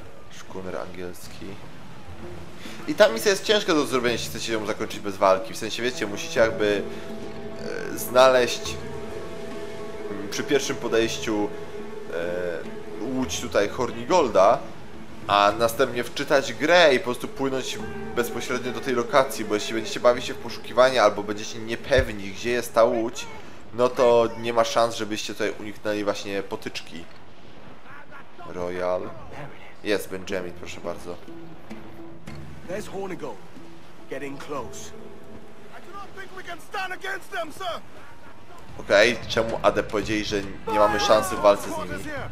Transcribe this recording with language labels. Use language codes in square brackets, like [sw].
[pl] Szkuner angielski. I ta misja jest ciężka do zrobienia, jeśli chcecie ją zakończyć bez walki. W sensie, wiecie, musicie jakby znaleźć przy pierwszym podejściu łódź tutaj Hornigolda, a następnie wczytać grę i po prostu płynąć bezpośrednio do tej lokacji, bo jeśli będziecie bawić się w poszukiwania albo będziecie niepewni, gdzie jest ta łódź, no to nie ma szans, żebyście tutaj uniknęli właśnie potyczki. Royal. Jest Benjamin, proszę bardzo. [en] There's Hornigold. Getting close. I don't think we can stand against them, sir. [pl] Okej, czemu Ade powiedzieli, że nie mamy szansy w walce z nimi?